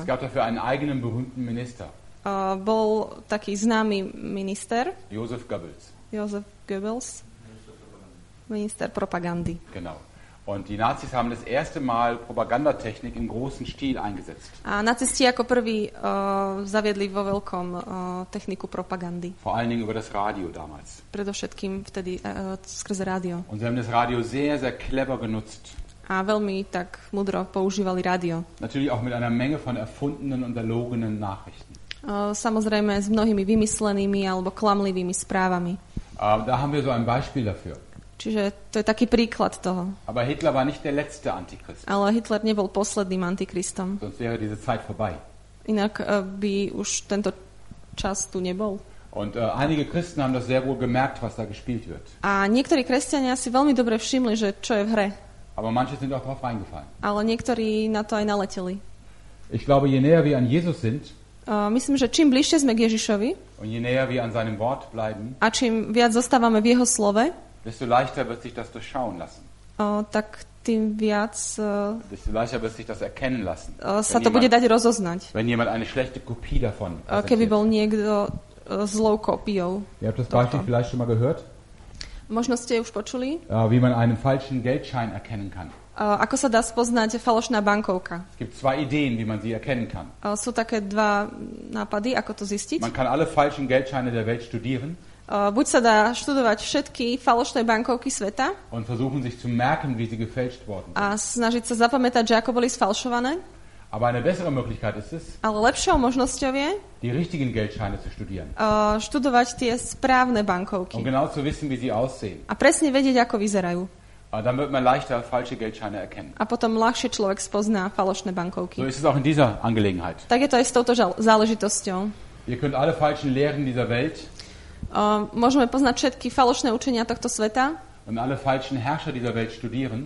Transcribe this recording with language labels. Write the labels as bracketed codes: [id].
[de] Es gab dafür einen eigenen berühmten Minister. [sk] Bol taký známy minister. [de] Josef Goebbels. [sk] Josef Goebbels. Minister propagandy. [de] Genau. Und die Nazis haben das erste Mal Propagandatechnik im großen Stil eingesetzt. [sk] A nacisti ako prví zaviedli vo veľkom techniku propagandy. [de] Vor allen Dingen über das Radio damals. [sk] Predovšetkým vtedy skrze rádio. [de] Und sie haben das Radio sehr, sehr clever genutzt. [sk] A veľmi tak mudro používali rádio. [de] Natürlich auch mit einer Menge von erfundenen und erlogenen Nachrichten. [sk] Samozrejme s mnohými vymyslenými alebo klamlivými správami. [de] Da haben wir so ein Beispiel dafür. [sk] Čiže to je taký príklad toho. [de] Aber Hitler war nicht der letzte Antichrist. [sk] Ale Hitler nebol posledným antikristom. [de] Sonst wäre diese Zeit vorbei. [sk] Inak by už tento čas tu nebol. [de] Und einige Christen haben das sehr wohl gemerkt, was da gespielt wird. [sk] A niektorí kresťania si veľmi dobre všimli, že čo je v hre. [de] Aber manche sind auch drauf reingefallen. [sk] Ale niektorí na to aj naleteli. [de] Ich glaube, je näher wir an Jesus sind, [sk] myslím, že čím bližšie sme k Ježišovi, [de] und je näher wir an seinem Wort bleiben, [sk] a čím viac zostávame v jeho slove, [de] desto leichter wird sich das durchschauen lassen. [sk] Tak tým viac [de] desto leichter wird sich das erkennen lassen. [sk] Sa to bude dať rozoznať. [de] Wenn jemand eine schlechte Kopie davon präsentiert. [sk] Keby bol niekto zlou kopiou. [de] Ihr habt das Beispiel vielleicht schon mal gehört? [sk] Možno ste už počuli? [de] Wie man einen falschen Geldschein erkennen kann. [sk] Ako sa dá spoznať falošná bankovka? [de] Es gibt zwei Ideen, wie man sie erkennen kann. [sk] Sú také dva nápady, ako to zistiť? [de] Man kann alle falschen Geldscheine der Welt studieren. [sk] Buď sa dá študovať všetky falošné bankovky sveta. [de] Und versuchen sich zu merken, wie sie gefälscht worden sind. [sk] A snažiť sa zapamätať, že ako boli sfalšované. [de] Aber eine bessere Möglichkeit ist es. [sk] Ale lepšou možnosťou je. [de] Die richtigen Geldscheine zu studieren. [sk] Študovať tie správne bankovky. [de] Und genau zu wissen, wie sie aussehen. [sk] A presne vedieť, ako vyzerajú. [de] Dann wird man leichter falsche Geldscheine erkennen. [sk] A potom ľahšie človek spozná falošné bankovky. [de] So ist es auch in dieser Angelegenheit. [sk] Tak je to aj s touto záležitosťou. [de] Ihr könnt alle falschen Lehren dieser Welt. [sk] Môžeme poznať všetky falošné učenia tohto sveta. [de] Und alle falschen Herrscher dieser Welt studieren.